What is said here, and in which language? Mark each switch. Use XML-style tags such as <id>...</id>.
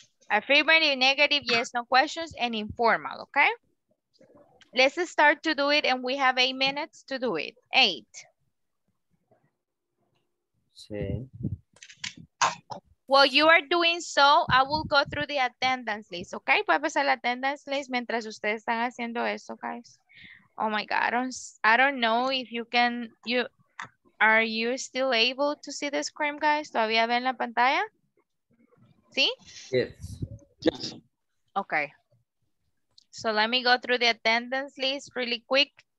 <en>Affirmative, negative, yes, no questions, and informal, okay? Let's start to do it, and we have 8 minutes to do it. Eight.</en> <es>Sí.</es> <en>While you are doing so, I will go through the attendance list, okay?</en> <es>Puede pasar la attendance list mientras ustedes están haciendo eso, guys.</es> <en>Oh my God, I don't know if you can, are you still able to see the screen, guys?</en> <es>¿Todavía ven la pantalla? ¿Sí?</es> <en>Yes. Okay. So let me go through the attendance list really quick.</en>